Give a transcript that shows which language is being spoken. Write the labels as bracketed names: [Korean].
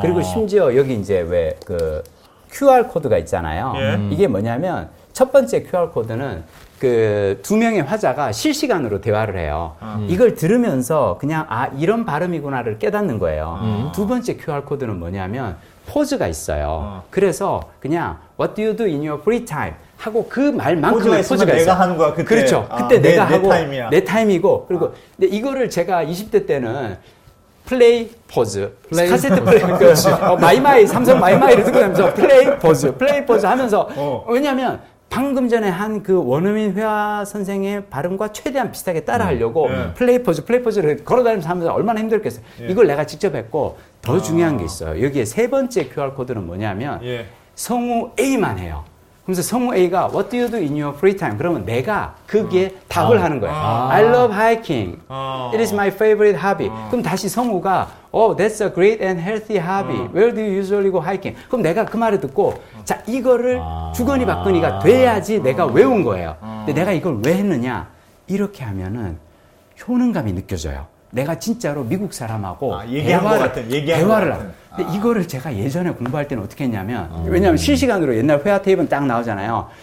[Korean] 그리고 심지어 여기 이제 왜 그 QR 코드가 있잖아요. 예? 이게 뭐냐면 첫 번째 QR 코드는 그 두 명의 화자가 실시간으로 대화를 해요. 이걸 들으면서 그냥 아 이런 발음이구나를 깨닫는 거예요. 두 번째 QR코드는 뭐냐면 포즈가 있어요. 그래서 그냥 [English] What do you do in your free time? [Korean] 하고 그 말만큼의 포즈가 내가 있어요. 하는 거야, 그때. 그렇죠. 그때 아, 내가 내 하고 타임이야. 내 타임이고 그리고 아. 근데 이거를 제가 20대 때는 플레이 포즈 플레이 카세트 플레이 포즈 그렇죠. 어, 마이마이 삼성 마이마이를 듣고 나면서 플레이 포즈 하면서 어. 왜냐하면 방금 전에 한 그 원어민 회화 선생의 발음과 최대한 비슷하게 따라하려고 플레이 포즈를 걸어다니면서 하면서 얼마나 힘들겠어요. 예. 이걸 내가 직접 했고 더 아. 중요한 게 있어요. 여기에 세 번째 QR코드는 뭐냐면 예. 성우 A만 해요. 그래서 성우 A가 [English] What do you do in your free time? [Korean] 그러면 내가 그게 답을 하는 거예요. 아. [English] I love hiking. 아. It is my favorite hobby. 아. [Korean] 그럼 다시 성우가 [English] Oh, that's a great and healthy hobby. 아. Where do you usually go hiking? [Korean] 그럼 내가 그 말을 듣고 자 이거를 아. 주거니 받거니가 돼야지 아. 내가 외운 거예요. 아. 근데 내가 이걸 왜 했느냐? 이렇게 하면은 효능감이 느껴져요. 내가 진짜로 미국 사람하고 아, 얘기한 대화를, 것 같아. 얘기한 대화를 것 같아. 하고. 근데 아. 이거를 제가 예전에 공부할 때는 어떻게 했냐면, 왜냐면 실시간으로 옛날 회화 테이프는 딱 나오잖아요.